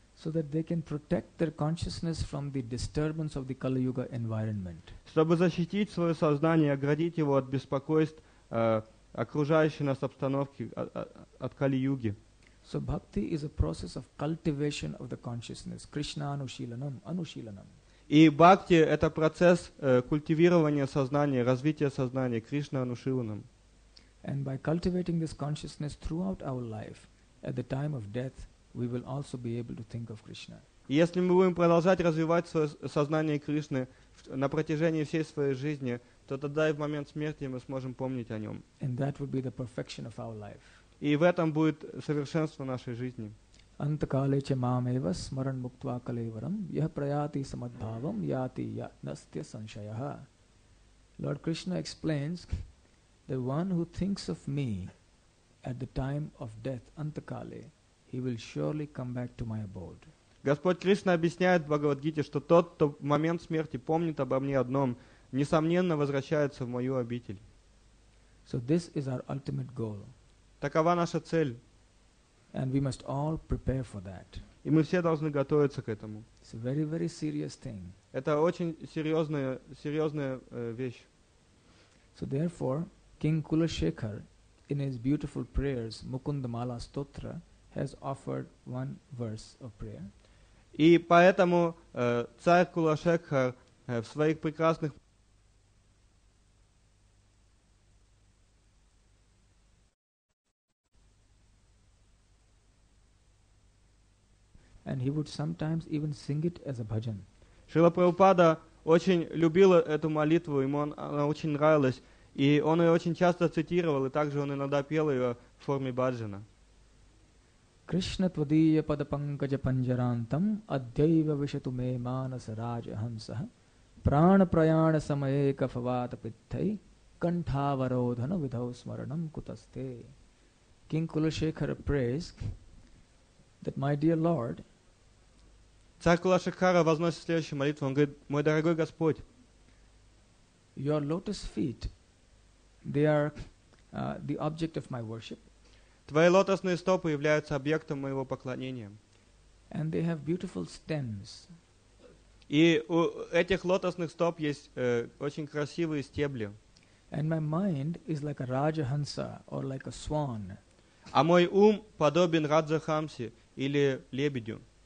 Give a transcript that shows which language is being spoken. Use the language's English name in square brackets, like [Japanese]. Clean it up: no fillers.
[English] So that they can protect their consciousness from the disturbance of the Kali Yuga environment. [Russian] Чтобы защитить свое сознание, оградить его от беспокойств окружающей нас обстановки от Кали Юги. [English] So bhakti is a process of cultivation of the consciousness. [Sanskrit] Krishna anushilanam, anushilanam. [Russian] И бхакти – это процесс культивирования сознания, развития сознания, [Sanskrit] Кришна анушиланам. [English] And by cultivating this consciousness throughout our life, at the time of death, we will also be able to think of Krishna. [Russian] Если мы будем продолжать развивать свое сознание Кришны на протяжении всей своей жизни, то тогда и в момент смерти мы сможем помнить о нем. [English] And that would be the perfection of our life. [Russian] И в этом будет совершенство нашей жизни. [Sanskrit] Антакале ча мам эва смаран муктва калеварам ях праяти самадбхавам яти я настья саншаяха. [English] Lord Krishna explains, the one who thinks of me at the time of death, Antakale, he will surely come back to my abode. [Russian] Господь Кришна объясняет в Бхагавадгите, что тот, кто в момент смерти помнит обо мне одном, несомненно возвращается в мою обитель. [English] So this is our ultimate goal. [Russian] Такова наша цель. [English] And we must all prepare for that. [Russian] И мы все должны готовиться к этому. [English] It's a very, very serious thing. [Russian] Это очень серьезная вещь. [English] So therefore, King Kulashekhar, in his beautiful prayers, Mukundamala Stotra, has offered one verse of prayer. [Russian] И поэтому царь Кулашекхар в своих прекрасных [English] And he would sometimes even sing it as a bhajan. [Russian] Шрила Прабхупада очень любил эту молитву, ему она очень нравилась, и он ее очень часто цитировал, и также он иногда пел ее в форме бхаджана. [Sanskrit] Krishna tvadiya pada pankaja panjarantam adhyaiva vishatu me manasa raja hamsah prana prayana samaye kafavata pitthai kanthavarodhana vidhau smaranam kutaste. [English] King Kulashekhar prays that my dear Lord, [Russian] царь Кулашекхара возносит следующую молитву. Он говорит: «Мой дорогой Господь, [English] Your lotus feet, they are the object of my worship. [Russian] Твои лотосные стопы являются объектом моего поклонения. [English] And they have beautiful stems. [Russian] И у этих лотосных стоп есть очень красивые стебли. [English] And my mind is like a Rajahansa or like a swan. [Russian] А мой ум подобен Раджахамсе или лебедю.